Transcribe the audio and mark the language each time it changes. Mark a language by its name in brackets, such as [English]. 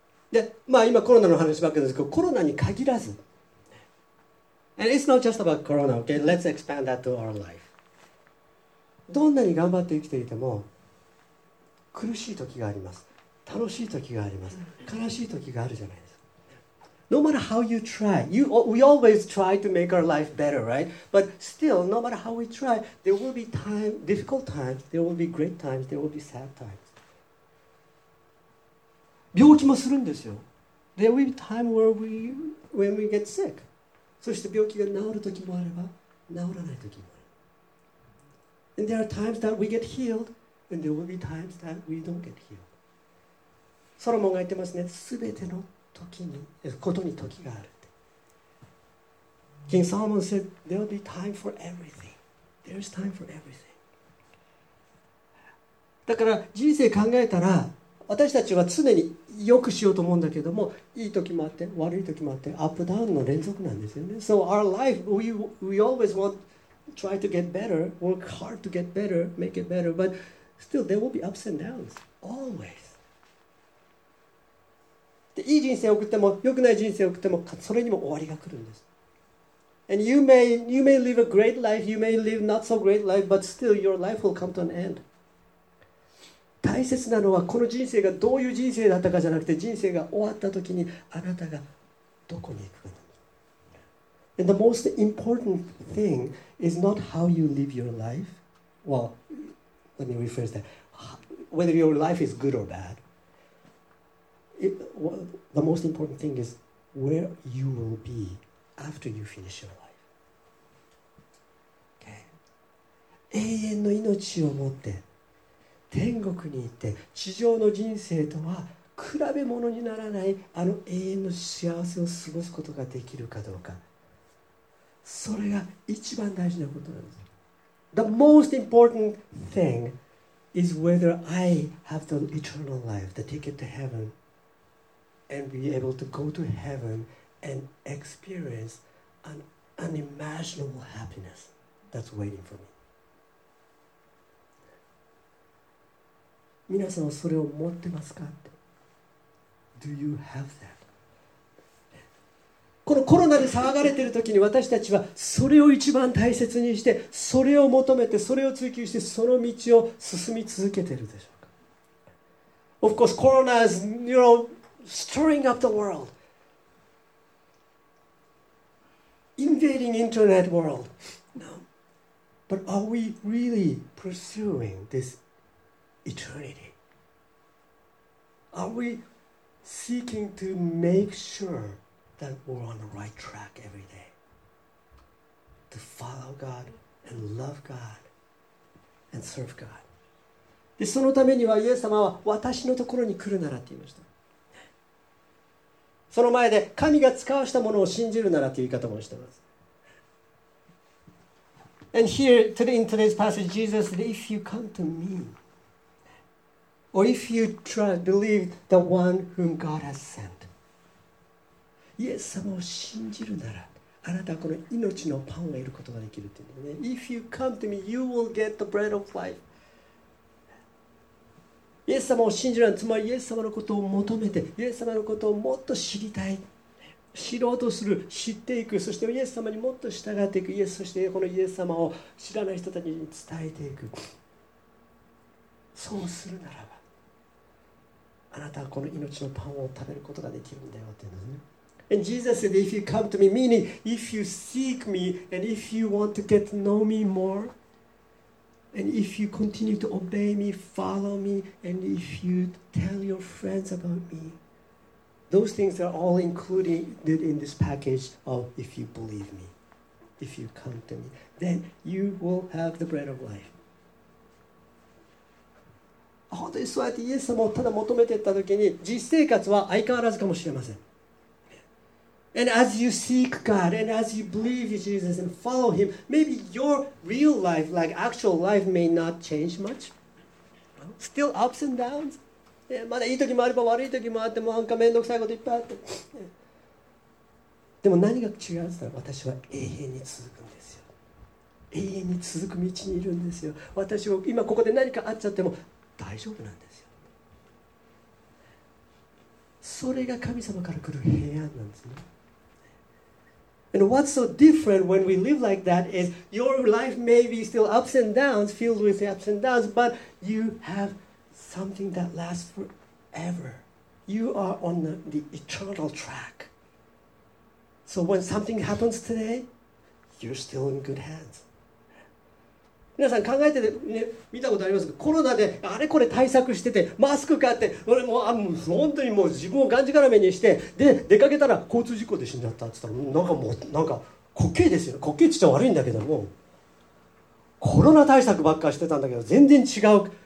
[Japanese] で、まあ今コロナの話ばっかりですけど、コロナに限らず。 [English] And it's not just about corona, okay? Let's expand that to our life. [Japanese] どんなに頑張って生きていても、苦しい時があります。楽しい時があります。悲しい時があるじゃないですか。 [English] No matter how you try, we always try to make our life better, right? But still, no matter how we try, there will be time, difficult times, there will be great times, there will be sad times. [Japanese] 病気もするんですよ。 [English] There will be time when we get sick. [Japanese] そして病気が治る時もあれば、治らない時もある。 [English] And there are times that we get healed, And there will be times that we don't get healed. [Japanese] ソロモンが言ってますね。すべての時に、ことに時がある。 [English] King Solomon said, there will be time for everything. There is time for everything. [Japanese] だから人生考えたら、私たちは常に良くしようと思うんだけども、いい時もあって、悪い時もあって、アップダウンの連続なんですよね。 [English] So our life, we always want to try to get better, work hard to get better, make it better, but still there will be ups and downs, always. [Japanese] で、いい人生を送っても、良くない人生を送っても、それにも終わりが来るんです。 [English] And you may live a great life, you may live not so great life, but still your life will come to an end. [Japanese] 大切なのはこの人生がどういう人生だったかじゃなくて、人生が終わった時にあなたがどこに行くか。 [English] And the most important thing is not how you live your life. Well, let me rephrase that. Whether your life is good or bad. The most important thing is where you will be. After you finish your life. Okay. [Japanese] 永遠の命を持って天国に行って地上の人生とは比べ物にならないあの永遠の幸せを過ごすことができるかどうか、それが一番大事なことなんです。 [English] The most important thing is whether I have the eternal life, the ticket to heaven, and be able to go to heavenAnd experience an unimaginable happiness that's waiting for me. [Japanese] 皆さんはそれを持ってますか？ [English] Do you have that? [Japanese] このコロナで騒がれている時に、私たちはそれを一番大切にして、それを求めて、それを追求して、その道を進み続けているでしょうか？ [English] Of course, Corona is, you know, stirring up the world. Invading internet world. No. But are we really pursuing this eternity? Are we seeking to make sure that we're on the right track every day? To follow God and love God and serve God. [Japanese] で、そのためにはイエス様は私のところに来るならって言いました。その前で神が使わしたものを信じるならという言い方もしています。 [English] And here, today, in today's passage, Jesus said, if you come to me, or if you trust, believe the one whom God has sent, [Japanese] イエス様を信じるなら、あなたはこの命のパンを得ることができるというね。 [English] If you come to me, you will get the bread of life. [Japanese] イエス様を信じるのは、つまりイエス様のことを求めて、イエス様のことをもっと知りたい、知ろうとする、知っていく、そしてイエス様にもっと従っていく、イエス、そしてこのイエス様を知らない人たちに伝えていく。そうするならば、あなたはこの命のパンを食べることができるんだよっていうのね。 [English] And Jesus said, if you come to me, meaning if you seek me, and if you want to get to know me more,And if you continue to obey me, follow me, and if you tell your friends about me, those things are all included in this package of if you believe me, if you come to me, then you will have the bread of life. [Japanese] 本当にそうやってイエス様をただ求めていったときに、実生活は相変わらずかもしれません。 [English] And as you seek God, and as you believe in Jesus and follow Him, maybe your real life, like actual life, may not change much. Still ups and downs. [Japanese] Yeah, まだいい時もあれば悪い時もあって、もうなんかめんどくさいこといっぱいあって。でも何が違うんですか？私は永遠に続くんですよ。永遠に続く道にいるんですよ。私は今ここで何かあっちゃっても大丈夫なんですよ。それが神様から来る平安なんですね。 [English] And what's so different when we live like that is your life may be still ups and downs, filled with ups and downs, but you have something that lasts forever. You are on the eternal track. So when something happens today, you're still in good hands. [Japanese] 皆さん考えてて、ね、見たことありますか？コロナであれこれ対策してて、マスク買って、俺もう本当にもう自分をがんじがらめにして、で、出かけたら交通事故で死んじゃったって言ったら、なんかもう、なんか滑稽ですよ。滑稽って言っちゃ悪いんだけども、コロナ対策ばっかりしてたんだけど、全然違う